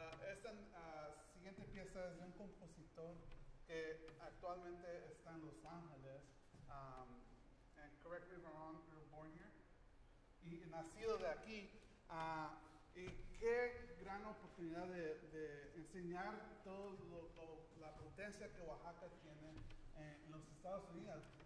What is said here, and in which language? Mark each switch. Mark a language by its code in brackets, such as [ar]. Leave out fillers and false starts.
[es] Esta siguiente pieza es de un compositor que actualmente está en Los Ángeles. [en] And correct me if I'm wrong, you're born here. [es] Y nacido de aquí. Y qué gran oportunidad de enseñar todo lo, la potencia que Oaxaca tiene en los Estados Unidos.